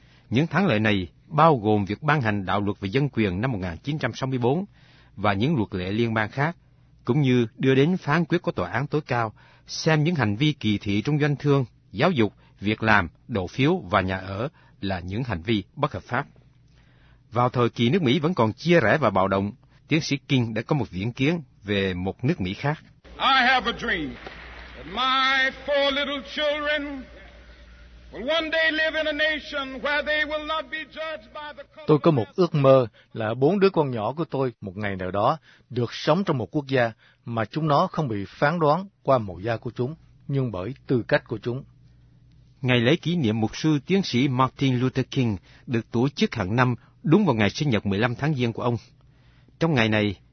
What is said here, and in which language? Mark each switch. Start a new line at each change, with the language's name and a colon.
Vietnamese: Những thắng lợi này bao gồm việc ban hành đạo luật về dân quyền năm 1964 và những luật lệ liên bang khác, cũng như đưa đến phán quyết của tòa án tối cao xem những hành vi kỳ thị trong doanh thương, giáo dục, việc làm, đầu phiếu và nhà ở là những hành vi bất hợp pháp. Vào thời kỳ nước Mỹ vẫn còn chia rẽ và bạo động, tiến sĩ King đã có một viễn kiến về một nước Mỹ khác.
English: I have a dream that my 4 little children will one day live in a nation where they will not be judged by the color.
Vietnamese: Tôi có một ước mơ là 4 đứa con nhỏ của tôi một ngày nào đó được sống trong một quốc gia mà chúng nó không bị phán đoán qua màu da của chúng, nhưng bởi tư cách của chúng. Ngày lễ kỷ niệm mục sư tiến sĩ Martin Luther King được tổ chức hàng năm đúng vào ngày sinh nhật 15 tháng Giêng của ông. Trong ngày này,